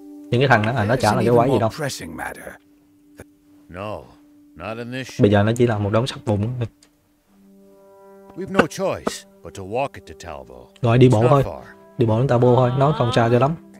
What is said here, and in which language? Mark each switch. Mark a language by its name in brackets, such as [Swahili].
[Vietnamese] Những cái thằng đó là nó chả là cái quái gì đâu. [English] No, not in this. [Vietnamese] Bây giờ nó chỉ là một đống sắt vụn. [English] We've no choice but to walk it to Talbo. [Vietnamese] Rồi đi bộ thôi. Đi bộ đến Talbo thôi, nó không xa cho lắm.